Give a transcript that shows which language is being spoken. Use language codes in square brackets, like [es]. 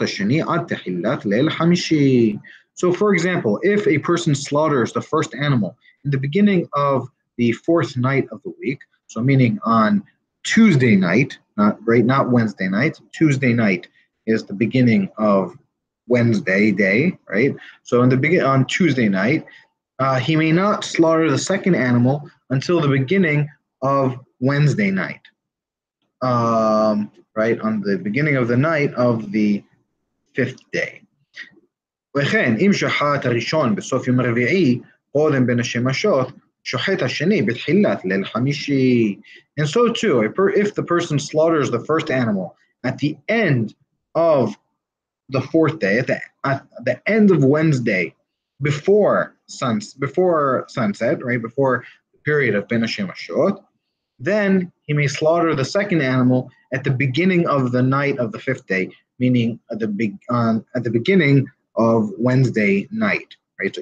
[en] So for example, if a person slaughters the first animal in the beginning of the fourth night of the week, so meaning on Tuesday night, not Wednesday night, Tuesday night is the beginning of Wednesday day, right? So on Tuesday night, he may not slaughter the second animal until the beginning of Wednesday night. Right on the beginning of the night of the fifth day. [he] וכן, אם שחט הראשון בסוף יום רביעי, קודם בין השמשות, שוחט השני בתחילת ליל חמישי. [en] And so too, if the person slaughters the first animal at the end of the fourth day, at the end of Wednesday, before sunset, right, before the period of בין השמשות, then he may slaughter the second animal at the beginning of the night of the fifth day, meaning at the beginning of Wednesday night, right?